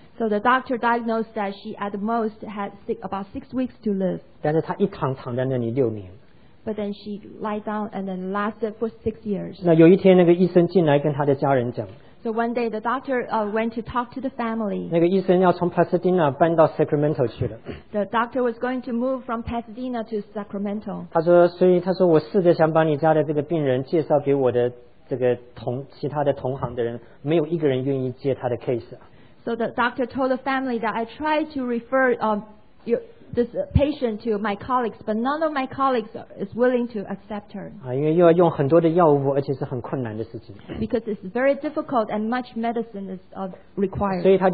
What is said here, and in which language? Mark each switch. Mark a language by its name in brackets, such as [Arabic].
[English] So the doctor diagnosed that she at most had about 6 weeks to live. [Chinese] 但是她一躺躺在那里6年。 [English] But then she lied down and then lasted for 6 years. [Chinese] 那有一天那个医生进来跟他的家人讲, [English] so one day the doctor went to talk to the family. [Chinese] 那个医生要从 Pasadena 搬到 Sacramento 去了。 [English] The doctor was going to move from Pasadena to Sacramento. [Chinese] 他说我试着想把你家的这个病人介绍给我的其他的同行的人, 没有一个人愿意接他的 case。 [English] So the doctor told the family that I tried to refer this patient to my colleagues, but none of my colleagues is willing to accept her. [Chinese] 因为又要用很多的药物，而且是很困难的事情。 [English] Because it's very difficult and much medicine is required.